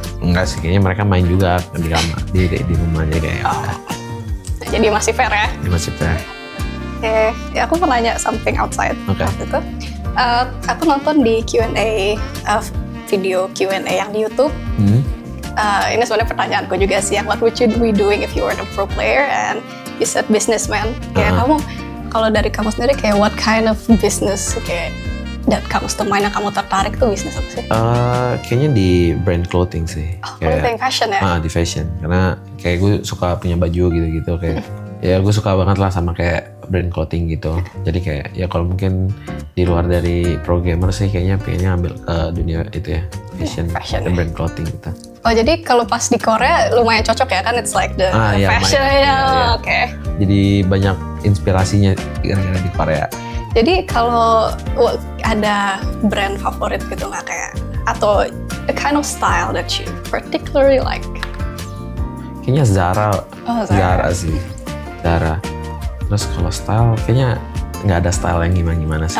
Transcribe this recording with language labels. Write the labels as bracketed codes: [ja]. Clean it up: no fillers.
[id] Enggak sih, kayaknya mereka main juga di kamar di rumahnya kayak. Jadi masih fair ya. Jadi masih fair. Okay. Ya, aku mau nanya [en] something outside [id] waktu itu. Aku nonton di Q&A, video Q&A yang di YouTube. Ini sebenarnya pertanyaanku juga sih, [en] what would you be doing if you were a pro player and you said businessman. [id] Kayak kamu, kalau dari kamu sendiri kayak [en] what kind of business [id] kayak [en] that comes to mind [id] yang kamu tertarik tuh bisnis apa sih? Kayaknya di brand clothing sih. Clothing, fashion ya? Di fashion, karena kayak gue suka punya baju gitu-gitu kayak. Ya gue suka banget lah sama kayak brand clothing gitu. Jadi kayak ya kalau mungkin di luar dari pro gamer sih kayaknya pengennya ambil ke dunia itu ya. Fashion dan brand clothing gitu. Oh jadi kalau pas di Korea lumayan cocok ya kan? [en] It's like the [id] ya, fashion ya. Okay. Jadi banyak inspirasinya gara-gara di Korea. Jadi kalau ada brand favorit gitu gak kayak? [en] Atau a kind of style that you particularly like? [id] Kayaknya Zara. Oh Zara. Zara sih. Zara. Terus kalau style, kayaknya nggak ada style yang gimana-gimana sih.